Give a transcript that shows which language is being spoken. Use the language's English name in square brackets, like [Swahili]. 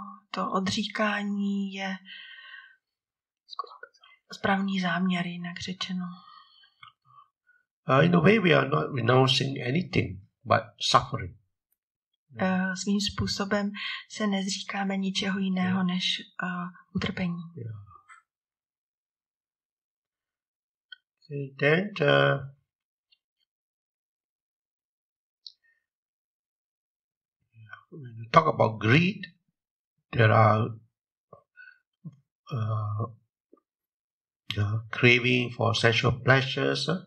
[Czech] To odříkání je správný záměr, jinak řečeno. [English] In a way, we are not renouncing anything but suffering. [Czech] Svým způsobem se nezříkáme ničeho jiného než utrpení. [English] Yeah. Okay, then when you talk about greed, there are craving for sexual pleasures.